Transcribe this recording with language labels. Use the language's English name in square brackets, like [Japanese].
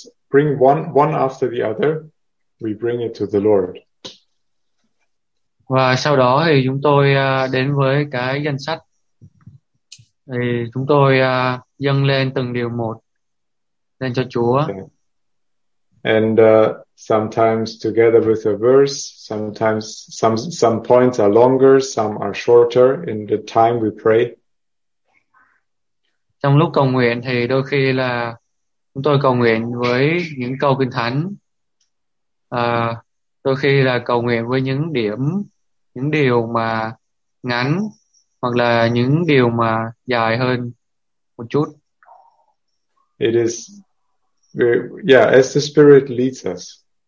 [English] Bring one after the other. We bring it to the Lord. [Vietnamese] Và sau đó thì chúng tôi đến với cái danh sách. Thì chúng tôi dâng lên từng điều một lên cho Chúa. [English] Okay. And sometimes together with a verse, sometimes some points are longer, some are shorter in the time we pray. [Vietnamese] Trong lúc cầu nguyện thì đôi khi là chúng tôi cầu nguyện với những câu kinh thánh. Đôi khi là cầu nguyện với những điểm, những điều mà ngắn hoặc là những điều mà dài hơn một chút. [English] It is, yeah, as the Spirit leads us.